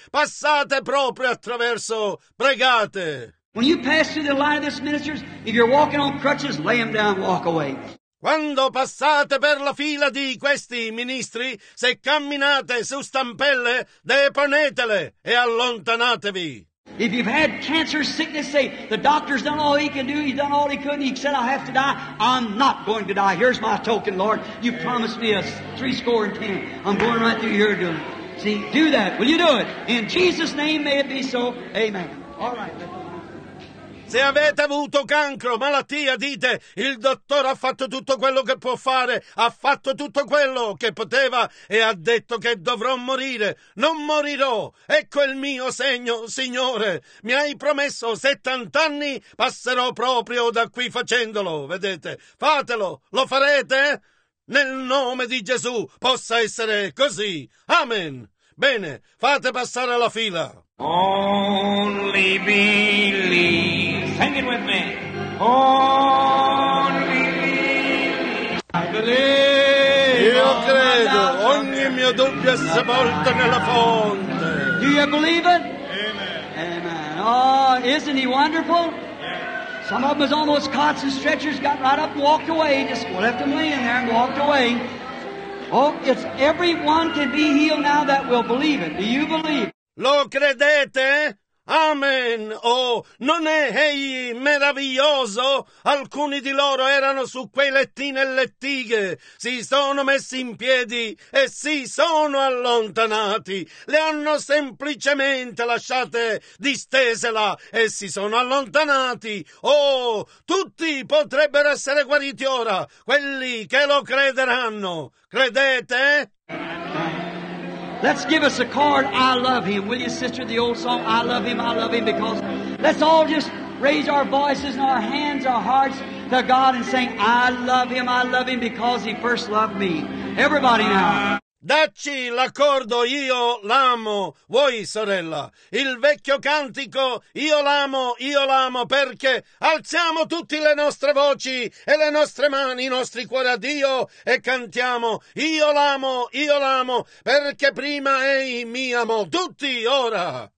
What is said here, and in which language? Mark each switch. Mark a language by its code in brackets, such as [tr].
[it] Passate proprio attraverso, pregate. [en] When you pass through the line of this ministers, if you're walking on crutches, lay them down, walk away. [it] Quando passate per la fila di questi ministri, se camminate su stampelle, deponetele e allontanatevi. [en] If you've had cancer sickness, say, the doctor's done all he can do, he's done all he could, and he said, I have to die, I'm not going to die. Here's my token, Lord. You promised me a 70. I'm going right through here doing it. See, do that. Will you do it? In Jesus' name, may it be so. Amen. All right. [it] Se avete avuto cancro, malattia, dite, il dottore ha fatto tutto quello che può fare, ha fatto tutto quello che poteva e ha detto che dovrò morire. Non morirò, ecco il mio segno, Signore. Mi hai promesso 70, passerò proprio da qui facendolo, vedete. Fatelo, lo farete? Nel nome di Gesù, possa essere così. Amen. Bene, fate passare la fila. [en] Only believe. Sing it with me. Only believe. [it] credo. Io credo, ogni mio dubbio è sepolto nella fonte. [en] Do you believe it? Amen. Amen. Oh, isn't he wonderful? Some of them was almost caught some stretchers, got right up and walked away, just left them laying there and walked away. Oh, it's everyone can be healed now that will believe it. Do you believe? [it] Lo credete? Amen. Oh, non è egli meraviglioso? Alcuni di loro erano su quei lettini e lettighe. Si sono messi in piedi e si sono allontanati. Le hanno semplicemente lasciate distese là e si sono allontanati. Oh, tutti potrebbero essere guariti ora, quelli che lo crederanno. Credete? [en] Let's give us a card, I love him. Will you, sister, the old song, I love him, because let's all just raise our voices and our hands, our hearts to God and sing, I love him because he first loved me. Everybody now. [it] Dacci l'accordo, io l'amo, voi sorella, il vecchio cantico, io l'amo perché alziamo tutte le nostre voci e le nostre mani, i nostri cuori a Dio e cantiamo, io l'amo perché prima ehi mi amo, tutti ora.